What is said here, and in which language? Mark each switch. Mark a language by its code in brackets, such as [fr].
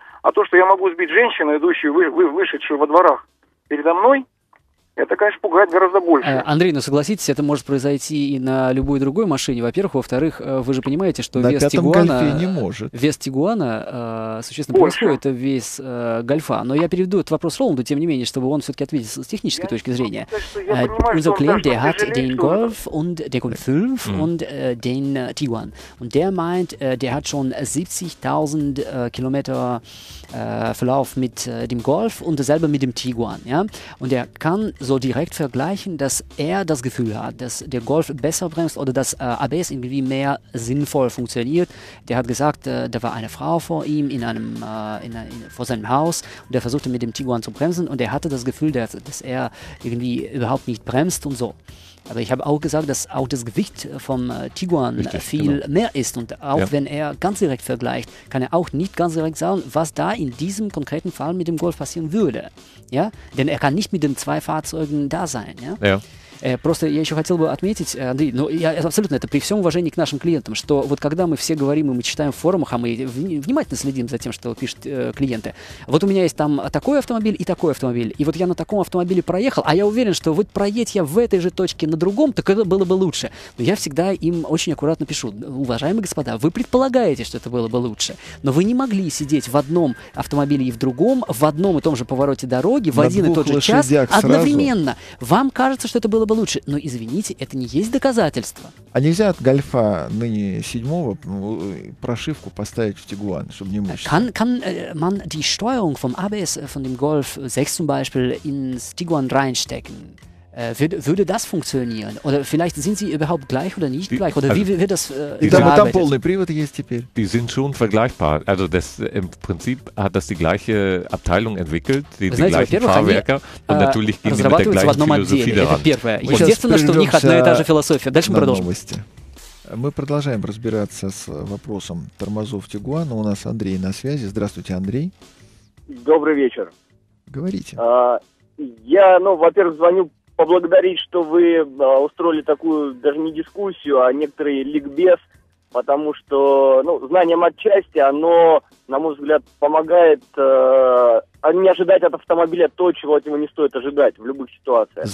[ru] А то, что я могу сбить женщину, идущую, вышедшую во дворах передо мной, это, конечно, пугает гораздо больше. Андрей, ну согласитесь, это может произойти и на любой другой машине. Во-первых, во-вторых, вы же понимаете, что на вес Тигуана... не может. Вес Тигуана, существенно превосходит вес Гольфа. Но я переведу этот вопрос Роланду, тем не менее, чтобы он все-таки ответил с технической точки зрения. [de] Unser Klient, der hat den Golf und der Golf 5 und den Tiguan. Und der meint, der hat schon 70.000 Kilometer Verlauf mit dem Golf und selber mit dem Tiguan. Ja? Und er kann so direkt vergleichen, dass er das Gefühl hat, dass der Golf besser bremst oder dass ABS irgendwie mehr sinnvoll funktioniert. Der hat gesagt, da war eine Frau vor ihm in einem vor seinem Haus und er versuchte mit dem Tiguan zu bremsen und er hatte das Gefühl, dass er irgendwie überhaupt nicht bremst und so. Aber ich habe auch gesagt, dass auch das Gewicht vom Tiguan richtig, viel genau. mehr ist und auch wenn er ganz direkt vergleicht, kann er auch nicht ganz direkt sagen, was da in diesem konkreten Fall mit dem Golf passieren würde. Ja? Denn er kann nicht mit den zwei Fahrzeugen da sein. Ja? Ja. [ru] Просто я еще хотел бы отметить, Андрей, ну, я абсолютно это при всем уважении к нашим клиентам, что вот когда мы все говорим и мы читаем в форумах, а мы внимательно следим за тем, что пишут клиенты, вот у меня есть там такой автомобиль и такой автомобиль, и вот я на таком автомобиле проехал, а я уверен, что вот проедь я в этой же точке на другом, так это было бы лучше. Но я всегда им очень аккуратно пишу, уважаемые господа, вы предполагаете, что это было бы лучше, но вы не могли сидеть в одном автомобиле и в другом, в одном и том же повороте дороги, в на один и тот же час, сразу. Одновременно. Вам кажется, что это было бы лучше. Но, извините, это не есть доказательство. А нельзя от Гольфа ныне седьмого прошивку поставить в Тигуан, чтобы не мучиться? [de] Kann man die Steuerung vom ABS von dem Golf 6 zum Beispiel ins Tiguan reinstecken? Würde das funktionieren? Oder vielleicht sind sie überhaupt gleich oder nicht gleich? Oder wie wird das gearbeitet? Die sind schon vergleichbar. Also das, im Prinzip hat das die gleiche Abteilung entwickelt, die gleichen Fahrwerke. Und natürlich gehen sie mit der gleichen Philosophie daran. [ru] Естественно, что у них одна и та же философия. Дальше мы продолжим. Мы продолжаем разбираться с вопросом тормозов Тигуана. У нас Андрей на связи. Здравствуйте, Андрей. Добрый вечер. Говорите. Во-первых, звоню поблагодарить, что вы устроили такую даже не дискуссию, а некоторый ликбез, потому что, ну, знанием отчасти, оно, на мой взгляд, помогает не ожидать от автомобиля то, чего от него не стоит ожидать в любых ситуациях.